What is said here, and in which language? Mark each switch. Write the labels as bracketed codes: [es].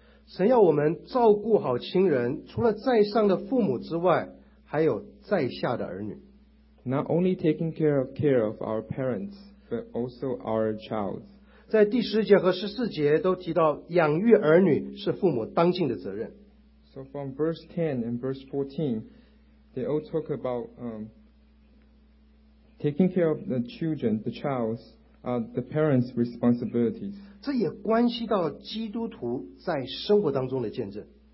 [zh] 神要我们照顾好亲人除了在上的父母之外还有在下的儿女 [en] Not only taking care of our parents but also our child [zh] 在第十节和十四节都提到养育儿女是父母当尽的责任 [en] So from verse 10 and verse 14 they all talk about taking care of the children, the childthe parents' responsibilities. [zh] 这也关系到基督徒在生活当中的见证。